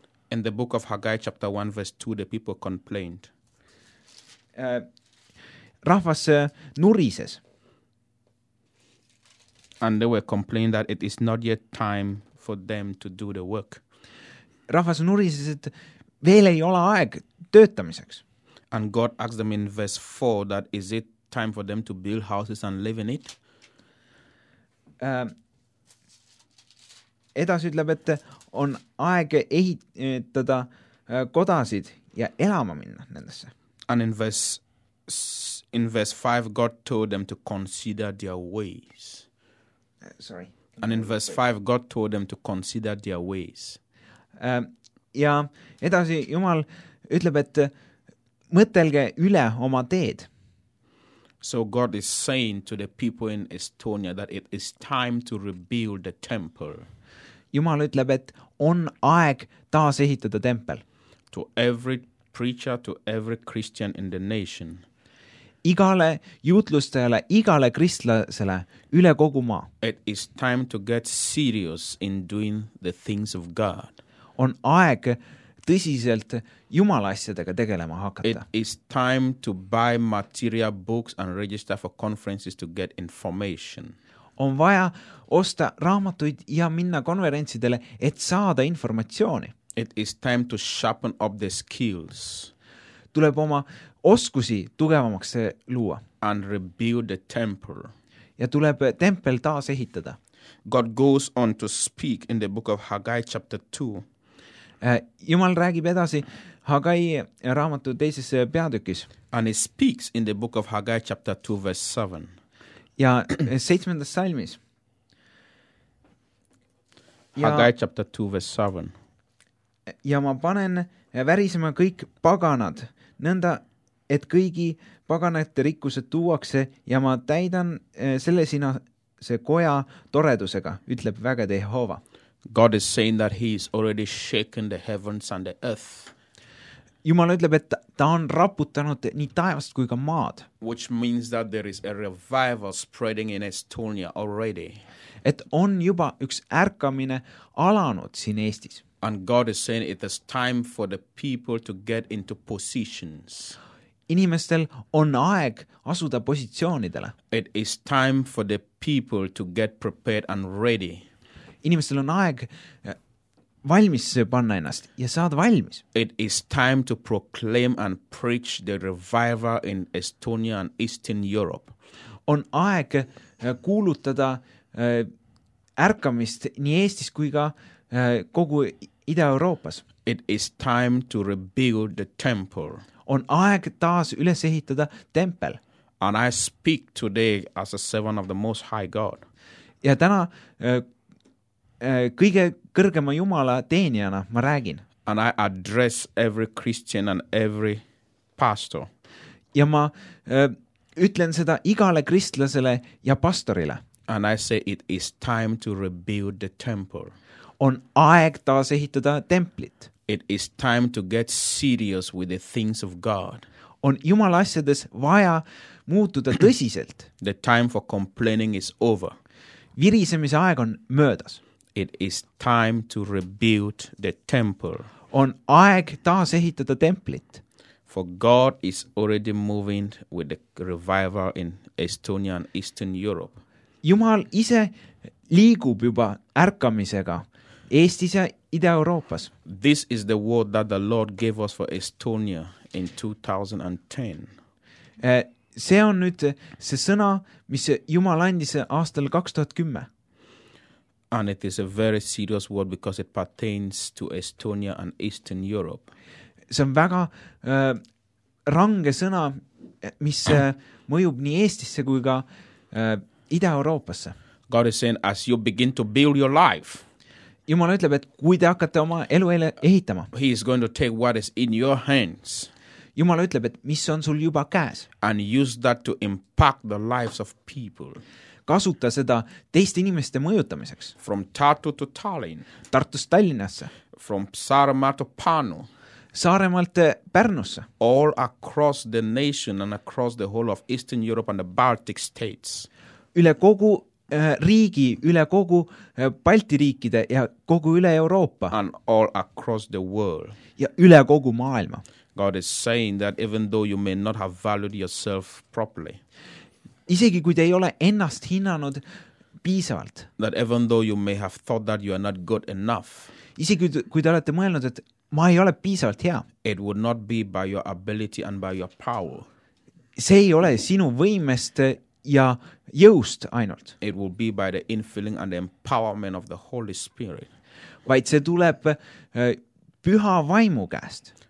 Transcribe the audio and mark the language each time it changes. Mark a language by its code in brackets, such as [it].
[en] In the book of Haggai, chapter 1, verse 2, the people complained. [et] Rahvas nurises. [en] And they were complaining that it is not yet time for them to do the work. [et] Rahvas nurises, et veel ei ole aeg töötamiseks. [en] And God asked them in verse 4 that is it time for them to build houses and live in it? [et] Edas ütleb, et on aeg ehitada kodasid ja elama minna nendesse. [en] And in verse 5, God told them to consider their ways. And in verse 5, God told them to consider their ways. [et] Ja edasi Jumal ütleb, et mõtelge üle oma teed. [en] So God is saying to the people in Estonia that it is time to rebuild the temple. [et] Jumal ütleb, et on aeg taas ehitada tempel. [en] To every preacher, to every Christian in the nation. [et] Igale juutlustajale, igale kristlasele üle kogu maa. [en] It is time to get serious in doing the things of God. [et] On aeg tõsiselt Jumala asjadega tegelema hakata. [en] It is time to buy material books and register for conferences to get information. [et] On vaja osta raamatuid ja minna konverentsidele, et saada informatsiooni. [en] It is time to sharpen up the skills. [et] Tuleb oma oskusi tugevamaks luua. [en] And rebuild the temple. [et] Ja tuleb tempel taas ehitada. [en] God goes on to speak in the book of Haggai chapter 2. [et] Jumal räägib edasi Haggai raamatu teises peatükis. [en] And he speaks in the book of Haggai chapter 2 verse 7. [et] Ja seitsmendas salmis. [en] Haggai chapter 2 verse 7. [et] Ja ma panen värisema kõik paganad, nõnda, et kõigi paganate rikkused tuuakse ja ma täidan selle sina see koja toredusega, ütleb vägede Jehova. [en] God is saying that he is already shaken the heavens and the earth. [et] Jumal ütleb, et ta on raputanud nii taevast kui ka maad. [en] Which means that there is a revival spreading in Estonia already. [et] Et on juba üks ärkamine alanud siin Eestis. [en] And God is saying it is time for the people to get into positions. [et] Inimestel on aeg asuda positsioonidele. [en] It is time for the people to get prepared and ready. [et] Inimestel on aeg valmis panna ennast ja saada valmis. [en] It is time to proclaim and preach the revival in Estonia and Eastern Europe. [et] On aeg kuulutada ärkamist nii Eestis kui ka kogu Ida-Euroopas. [en] It is time to rebuild the temple. [et] On aeg taas üles ehitada tempel. [en] And I speak today as a servant of the Most High God. [et] Ja täna kõige kõrgema Jumala teenijana ma räägin. [en] And I address every Christian and every pastor. [et] Ja ma ütlen seda igale kristlasele ja pastorile. [en] And I say it is time to rebuild the temple. [et] On aeg taas ehitada templit. [en] It is time to get serious with the things of God. [et] On Jumala asjades vaja muutuda tõsiselt. [en] The time for complaining is over. [et] Virisemise aeg on möödas. [en] It is time to rebuild the temple. [et] On aeg taas ehitada templit. [en] For God is already moving with the revival in Estonia and Eastern Europe. [et] Jumal ise liigub juba ärkamisega Eestis ja Ida-Euroopas. [en] This is the word that the Lord gave us for Estonia in 2010. [et] See on nüüd see sõna, mis Jumal andis aastal 2010. [en] And it is a very serious word because it pertains to Estonia and Eastern Europe. [et] See on väga range sõna, mis mõjub nii Eestisse kui ka Ida-Euroopasse. [en] God is saying, as you begin to build your life, [et] Jumala ütleb, et kui te hakkate oma elu ehitama, [en] he is going to take what is in your hands. [et] Jumala ütleb, et mis on sul juba käes. [en] And use that to impact the lives of people. [et] Kasuta seda teiste inimeste mõjutamiseks. [en] From Tartu to Tallinn. [et] Tartust Tallinnasse. [en] From Saaremaa to Pärnu. [et] Saaremaalt Pärnusse. [en] All across the nation and across the whole of Eastern Europe and the Baltic states. [et] Üle kogu riigi, üle kogu Balti riikide ja kogu üle Euroopa. [en] And all across the world. [et] Ja üle kogu maailma. [en] God is saying that even though you may not have valued yourself properly. [et] Isegi kui te ei ole ennast hinnanud piisavalt. [en] That even though you may have thought that you are not good enough. [et] Isegi kui te olete mõelnud, et ma ei ole piisavalt hea. [en] It would not be by your ability and by your power. [et] See ei ole sinu võimest ja jõust ainult. [en] It will be by the infilling and the empowerment of the Holy Spirit. [et] Vaid see tuleb püha vaimu käest.